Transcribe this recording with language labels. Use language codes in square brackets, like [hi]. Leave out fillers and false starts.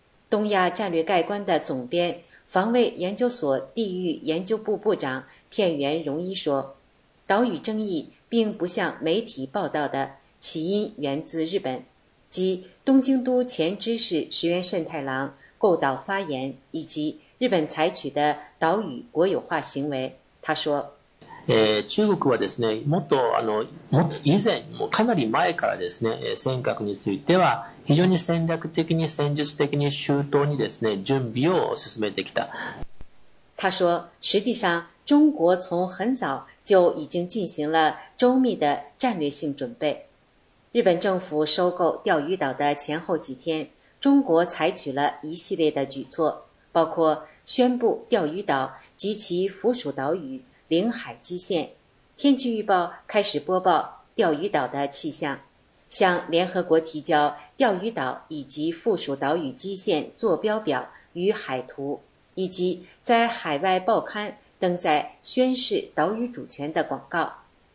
[zh] 东亚战略概观的总编、防卫研究所地域研究部部长片原荣一说，岛屿争议并不像媒体报道的，起因源自日本，即东京都前知事石原慎太郎购岛发言以及日本采取的岛屿国有化行为。他说， [ja] 中国はですね、もっとあの、もっと以前、もうかなり前からですね、尖閣については非常に戦略的に戦術的に周到にですね、準備を進めてきた。 [zh] 他说，实际上中国从很早就已经进行了周密的战略性准备。日本政府收购钓鱼岛的前后几天，中国采取了一系列的举措，包括宣布钓鱼岛及其附属岛屿领海基线，天气预报开始播报钓鱼岛的气象，向联合国提交钓鱼岛以及附属岛屿基线坐标表与海图，以及在海外报刊登载宣示岛屿主权的广告。